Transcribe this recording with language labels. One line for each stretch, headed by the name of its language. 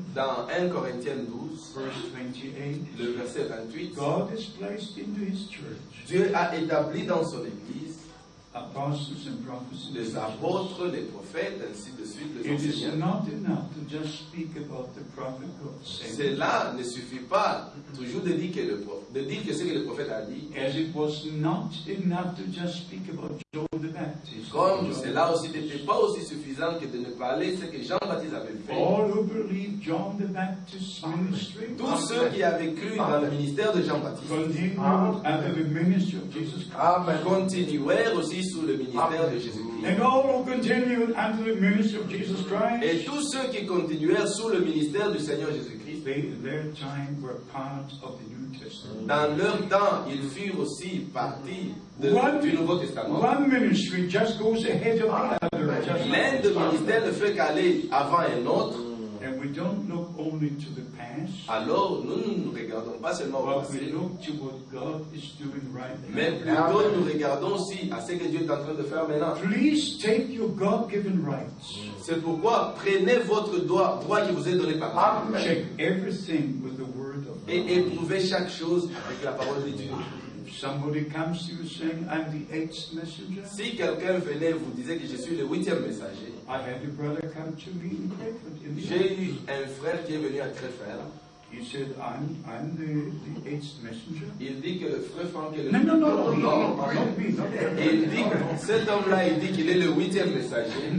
French: Dans 1 Corinthiens 12.
English: Verse 28.
French: Le verset 28.
English: God has placed into His church.
French: Dieu a établi dans son église.
English: Apostles and prophets.
French: Les apôtres, les prophètes, ainsi de suite, les enseignants.
English: It is not enough to just speak about the prophet God said.
French: Cela ne suffit pas toujours de dire que le prophète, de dire que ce que le prophète a dit.
English: As it was not enough to just speak about John the Baptist.
French: Comme cela aussi n'était pas aussi suffisant que de ne parler ce que Jean-Baptiste avait fait.
English: All who believed John the Baptist's ministry.
French: Tous ceux qui avaient cru dans le ministère de Jean-Baptiste.
English: Continued under the ministry of Jesus Christ. Amen.
French: Continuèrent aussi sous le ministère de Jésus-Christ.
English: And all who continued under the ministry of Jesus Christ.
French: Et tous ceux qui continuèrent sous le ministère du Seigneur Jésus-Christ.
English: Their time were part of the New Testament.
French: Dans leur temps, ils furent aussi partie du Nouveau Testament.
English: One ministry just goes ahead of another.
French: L'un de ministères ne fait qu'aller avant un autre.
English: And we don't look only to the past.
French: Alors, nous ne nous regardons pas seulement au passé.
English: We look to what God is doing right now.
French: Mais plutôt, nous regardons aussi à ce que Dieu est en train de faire maintenant.
English: Please take your God-given rights.
French: C'est pourquoi prenez votre droit qui vous est donné par Dieu.
English: Amen. Check everything with the word of God.
French: Et éprouvez chaque chose avec la parole de Dieu.
English: Somebody comes to you saying, I'm the eighth messenger.
French: Si quelqu'un venait vous disait que je suis le huitième messager.
English: I had a brother come to me in Crayford.
French: J'ai eu un frère qui est venu à Crayford.
English: He said, I'm the eighth messenger.
French: Il dit que le frère Franck est le huitième. Non,
English: me, not me.
French: Il dit, cet homme-là, il dit qu'il est le huitième messager.